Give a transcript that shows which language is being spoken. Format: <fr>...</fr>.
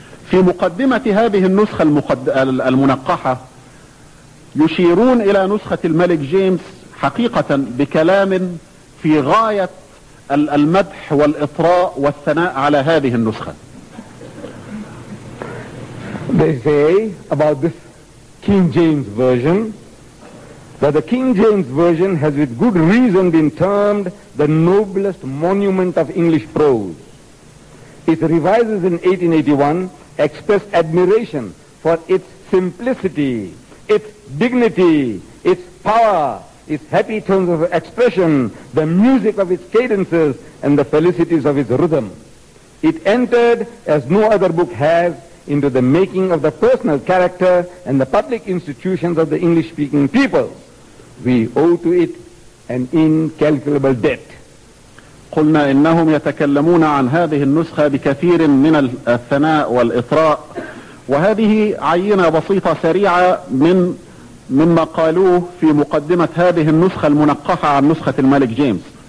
<ar>في مقدمة هذه النسخة المنقحة يشيرون إلى نسخة الملك جيمس حقيقة بكلام في غاية المدح والإطراء والثناء على هذه النسخة.</ar> <en>They say about this King James Version that the King James Version has with good reason been termed the noblest monument of English prose. Its revisers in 1881 expressed admiration for its simplicity, its dignity, its power, its happy tones of expression, the music of its cadences, and the felicities of its rhythm. It entered, as no other book has, into the making of the personal character and the public institutions of the English-speaking people. We owe to it an incalculable debt.</en> <ar>قلنا إنهم يتكلمون عن هذه النسخة بكثير من الثناء والإطراء، وهذه عينة بسيطة سريعة مما قالوه في مقدمة هذه النسخة المنقحة عن نسخة الملك جيمس.</ar>